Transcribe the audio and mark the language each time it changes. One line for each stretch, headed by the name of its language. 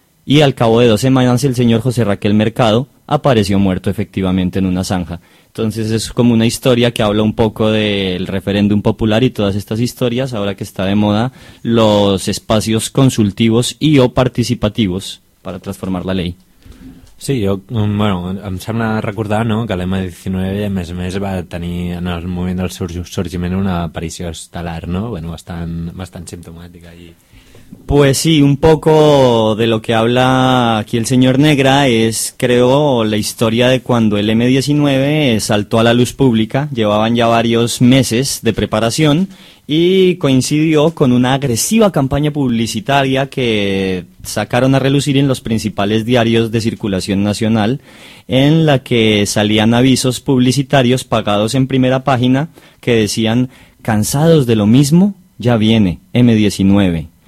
Spanish: Y al cabo de 2 semanas el señor José Raquel Mercado apareció muerto efectivamente en una zanja. Entonces es como una historia que habla un poco del referéndum popular y todas estas historias, ahora que está de moda los espacios consultivos y o participativos para transformar la ley.
Catalan: Sí, jo, bueno, em sembla recordar, no?, que l'M19 a més a més va tenir en el moment del sorgiment una aparició estel·lar, no?, bueno, bastant simptomàtica i...
Spanish: Pues sí, un poco de lo que habla aquí el señor Negra es, creo, la historia de cuando el M-19 saltó a la luz pública. Llevaban ya varios meses de preparación y coincidió con una agresiva campaña publicitaria que sacaron a relucir en los principales diarios de circulación nacional, en la que salían avisos publicitarios pagados en primera página que decían: cansados de lo mismo, ya viene M-19.